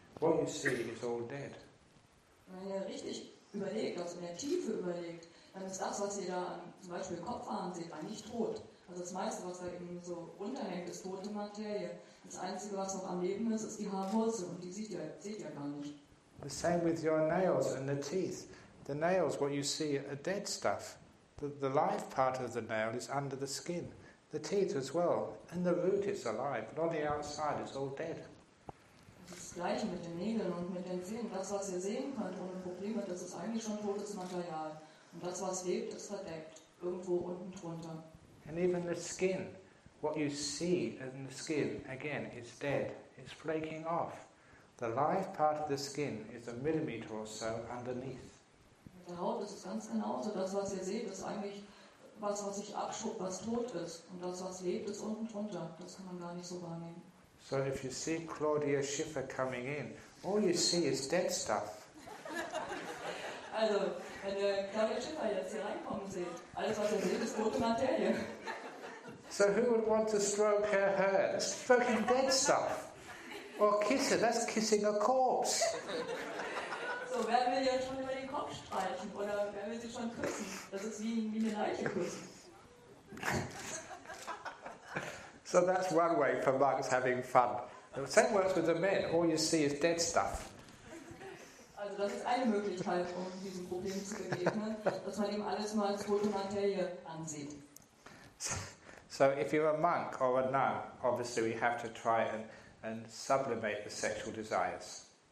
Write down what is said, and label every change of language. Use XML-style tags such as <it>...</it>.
<en>What you see is all dead.</en> <de>Wenn ihr richtig überlegt, also in der Tiefe überlegt, dann ist das, was ihr da zum Beispiel Kopfhaaren seht, eigentlich tot. Also das meiste, was da eben so runterhängt, ist tote Materie. Das Einzige, was noch am Leben ist, ist die Haarwurzel und die seht ihr gar nicht.</de> <en>The same with your nails and the teeth. The nails, what you see, are dead stuff. The live part of the nail is under the skin. The teeth as well. And the root is alive, but on the outside it's all dead.</en> <de>Das Gleiche mit den Nägeln und mit den Zähnen. Das, was ihr sehen könnt ohne Probleme, das ist eigentlich schon totes Material. Und das, was lebt, ist verdeckt, irgendwo unten drunter.</de> <en>And even the skin, what you see in the skin, again, is dead. It's flaking off. The live part of the skin is a millimeter or so underneath.</en> <de>Der Haut ist es ganz genauso. Das, was ihr seht, ist eigentlich was, was sich abschubt, was tot ist. Und das, was lebt, ist unten drunter. Das kann man gar nicht so wahrnehmen.</de> <en>So if you see Claudia Schiffer coming in, all you see is dead stuff.</en> <de>Also, wenn ihr Claudia Schiffer jetzt hier reinkommen seht, alles, was ihr seht, ist tote Materie.</de> <en>So who would want to stroke her hair? It's fucking dead stuff. Or kiss her, that's kissing a corpse.</en> <de>So, wer will jetzt schon über den Kopf streichen? Oder wer will sie schon küssen? Das ist wie eine Leiche küssen.</de> <en>So that's one way for monks having fun. The same works with the men. All you see is dead stuff.</en> <de>Also das ist eine Möglichkeit, um diesem Problem zu begegnen, dass man eben alles mal als tote Materie ansieht.</de> <en>So if you're a monk or a nun, obviously we have to try and sublimate the sexual desires.</en>